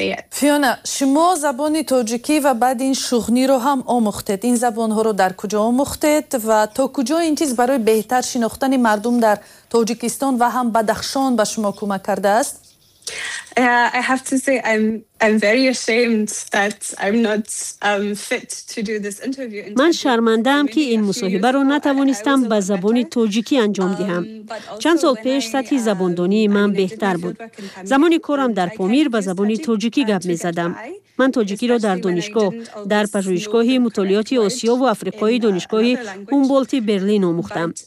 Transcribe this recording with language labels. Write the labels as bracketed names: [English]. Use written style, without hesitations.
[Persian] فیونا، شما زبان تاجیکی و بعد این شغنی رو هم آموختید. این زبان ها رو در کجا آموختید و تا کجا این چیز برای بهتر شناختن مردم در تاجیکستان و هم بدخشان به شما کمک کرده است؟ [English] I have to say I'm very ashamed that I'm not fit to do this interview. [Persian] من شرمنده ام که این مصاحبه رو نتوانستم به زبان تاجیکی انجام دهم. چند سال پیش سطح زبان دانی من بهتر بود. زمانی کارم در پامیر به زبان تاجیکی گپ می زدم. من تاجیکی را در دانشگاه، در پژوهشگاه مطالعات آسیا و آفریقای دانشگاه هومبولت برلین آموختم.